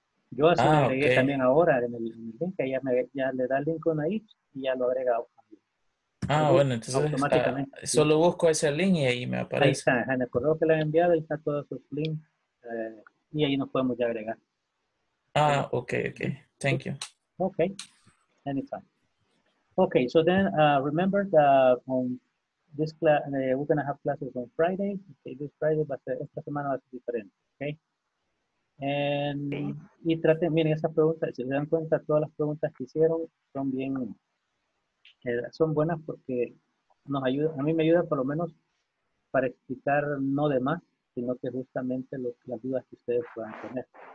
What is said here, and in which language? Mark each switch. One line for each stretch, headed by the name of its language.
Spanish: Yo así lo agregué también ahora en el link. Ahí ya le da el link con ahí y ya lo agrega. Bueno, entonces automáticamente, sí. Solo busco ese link y ahí me aparece. Ahí está, en el correo que le han enviado, ahí está todos sus links y ahí nos podemos ya agregar.
English: Ok. Thank you. Ok, anytime. Ok, so then remember that on this class, we're going to have classes on Friday. Okay, this Friday, but
Spanish: esta semana va a ser diferente. Ok. Y traten, miren esas preguntas, si se dan cuenta, todas las preguntas que hicieron son bien. Son buenas porque nos ayuda, a mí me ayuda por lo menos para explicar no de más, sino que justamente las dudas que ustedes puedan tener.